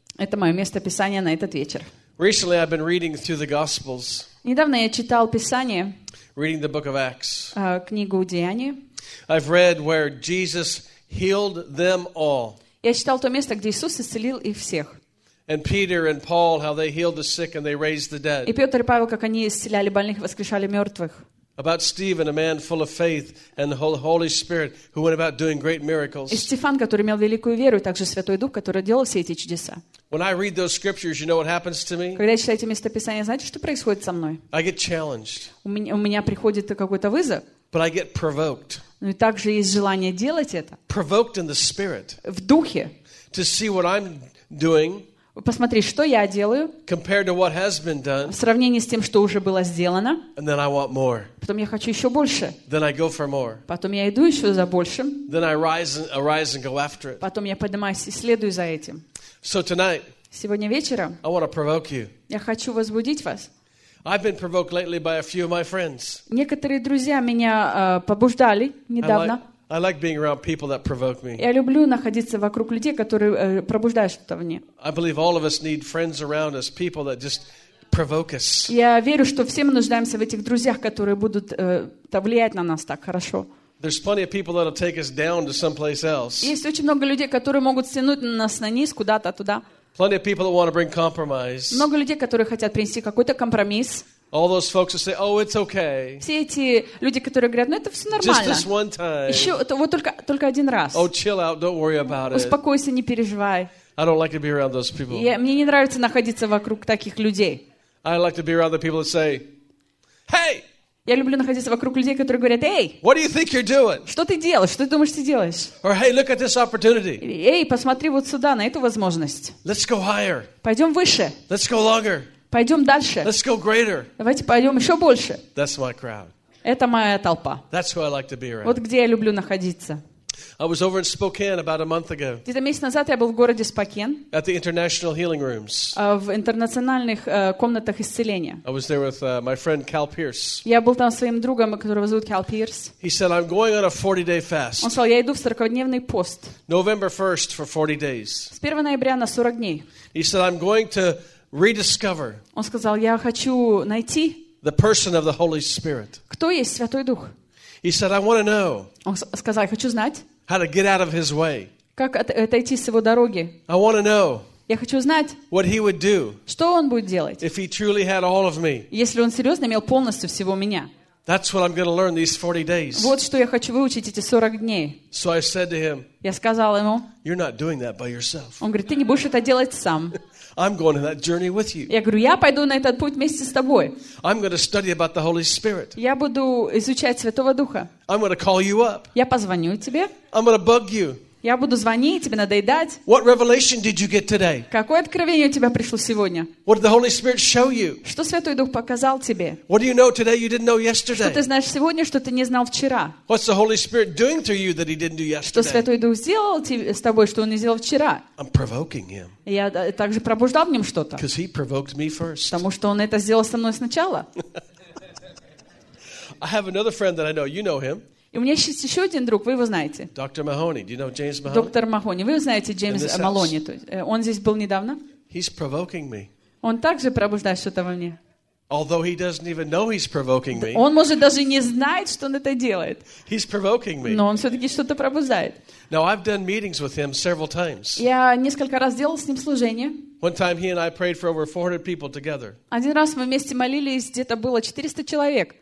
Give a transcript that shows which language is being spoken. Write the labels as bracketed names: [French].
[Russian] Это мое место писания на этот вечер. [English] Recently I've been reading through the Gospels. [Russian] Недавно я читал Писание. [English] Reading the book of Acts. [Russian] Книгу Деяний. [English] I've read where Jesus healed them all. [Russian] Я читал то место, где Иисус исцелил их всех. [English] And Peter and Paul, how they healed the sick and they raised the dead. [Russian] И Петр и Павел, как они исцеляли больных и воскрешали мертвых. [English] About Stephen, a man full of faith and the Holy Spirit, who went about doing great miracles. [Russian] И Стефан, который имел великую веру, и также Святой Дух, который делал все эти чудеса. [English] When I read those scriptures, you know what happens to me? [Russian] Когда я читаю эти местописания, знаете, что происходит со мной? [English] I get challenged. [Russian] У меня приходит какой-то вызов. [English] But I get provoked. [Russian] Но также есть желание делать это. [English] Provoked in the spirit. [Russian] В духе. [English] To see what I'm doing. [Russian] Посмотри, что я делаю. [English] Compared to what has been done. [Russian] В сравнении с тем, что уже было сделано. [English] And then I want more. [Russian] Потом я хочу еще больше. [English] Then I go for more. [Russian] Потом я иду еще за большим. [English] Then I arise and go after it. [Russian] Потом я поднимаюсь и следую за этим. [English] So tonight. [Russian] Сегодня вечером. [English] I want to provoke you. [Russian] Я хочу возбудить вас. [English] I've been provoked lately by a few of my friends. [Russian] Некоторые друзья меня побуждали недавно. [English] I like being around people that provoke me. [Russian] Я люблю находиться вокруг людей, которые пробуждают что-то вне. [English] I believe all of us need friends around us, people that just provoke us. [Russian] Я верю, что все мы нуждаемся в этих друзьях, которые будут влиять на нас так хорошо. [English] There's plenty of people that'll take us down to someplace else. [Russian] Есть очень много людей, которые могут стянуть нас на низ куда-то туда. [English] Plenty of people that want to bring compromise. [Russian] Много людей, которые хотят принести какой-то компромисс. [English] All those folks who say, "Oh, it's okay." [Russian] Все эти люди, которые говорят, ну это все нормально. [English] Just this one time. [Russian] Еще вот только один раз. [English] Oh, chill out, don't worry about it. [Russian] Успокойся, не переживай. [English] I don't like to be around those people. [Russian] Мне не нравится находиться вокруг таких людей. [English] I like to be around the people that say, "Hey." [Russian] Я люблю находиться вокруг людей, которые говорят, "Эй." [English] What do you think you're doing? [Russian] Что ты делаешь? Что ты думаешь, ты делаешь? [English] Or hey, look at this opportunity. [Russian] Эй, посмотри вот сюда на эту возможность. [English] Let's go higher. [Russian] Пойдем выше. [English] Let's go longer. [Russian] Пойдем дальше. [English] Let's go greater. [Russian] Давайте пойдем еще больше. [English] That's my crowd. [Russian] Это моя толпа. [English] That's who I like to be around. [Russian] Вот где я люблю находиться. [English] I was over in Spokane about a month ago. [Russian] Где-то месяц назад я был в городе Спокен. [English] At the International Healing Rooms. [Russian] В интернациональных комнатах исцеления. [English] I was there with my friend Cal Pierce. [Russian] Я был там с своим другом, которого зовут Cal Pierce. [English] He said, "I'm going on a 40-day fast." [Russian] Он сказал, я иду в 40-дневный пост. [English] November 1st for 40 days. [Russian] С 1 ноября на 40 дней. [English] He said, "I'm going to rediscover." [Russian] Он сказал, я хочу найти. [English] The person of the Holy Spirit. [Russian] Кто есть Святой Дух? [English] He said, "I want to know." [Russian] Он сказал, я хочу знать. [English] How to get out of his way. [Russian] Как отойти с его дороги? [English] I want to know. [Russian] Я хочу знать. [English] What he would do. [Russian] Что он будет делать? [English] If he truly had all of me. [Russian] Если он серьезно имел полностью всего меня. [English] That's what I'm going to learn these 40 days. [Russian] Вот что я хочу выучить эти 40 дней. [English] So I said to him. [Russian] Я сказал ему. [English] You're not doing that by yourself. [Russian] Он говорит, ты не будешь это делать сам. [English] I'm going on that journey with you. [Russian] Я говорю, я пойду на этот путь вместе с тобой. [English] I'm going to study about the Holy Spirit. [Russian] Я буду изучать Святого Духа. [English] I'm going to call you up. [Russian] Я позвоню тебе. [English] I'm going to bug you. [Russian] Я буду звонить тебе, надоедать. [English] What revelation did you get today? [Russian] Какое откровение у тебя пришло сегодня? [English] What did the Holy Spirit show you? [Russian] Что Святой Дух показал тебе? [English] What do you know today you didn't know yesterday? [Russian] Что ты знаешь сегодня, что ты не знал вчера? [English] What's the Holy Spirit doing through you that He didn't do yesterday? [Russian] Что Святой Дух сделал с тобой, что Он не сделал вчера? [English] I'm provoking Him. [Russian] Я также пробуждал в Нем что-то. [English] Because He provoked me first. [Russian] Потому что Он это сделал со мной сначала. [English] I have another friend that I know. You know him. [Russian] И у меня есть еще один друг, вы его знаете. [English] Доктор Махони, do you know James Mahoney? [Russian] Доктор Махони, вы знаете Джеймс Малони? Он здесь был недавно. [English] He's provoking me. [Russian] Он также пробуждает что-то во мне. [English] Although he doesn't even know he's provoking me. [Russian] Он может даже не знает, что он это делает. [English] He's provoking me. [Russian] Но он все-таки что-то пробуждает. [English] Now I've done meetings with him several times. [Russian] Я несколько раз делал с ним служение. [English] One time he and I prayed for over 400 people together. [Russian] Один раз мы вместе молились, где-то было 400 человек.